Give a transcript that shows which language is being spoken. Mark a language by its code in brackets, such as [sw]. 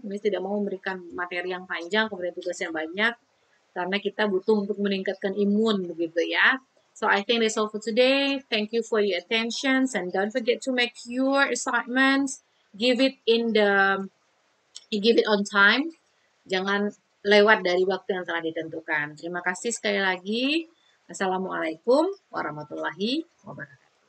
[id] Miss tidak mau memberikan materi yang panjang kemudian tugas yang banyak karena kita butuh untuk meningkatkan imun begitu ya. [en] So I think that's all for today. Thank you for your attention and don't forget to make your assignments. Give it on time. [id] Jangan lewat dari waktu yang telah ditentukan. Terima kasih sekali lagi. Assalamualaikum warahmatullahi wabarakatuh.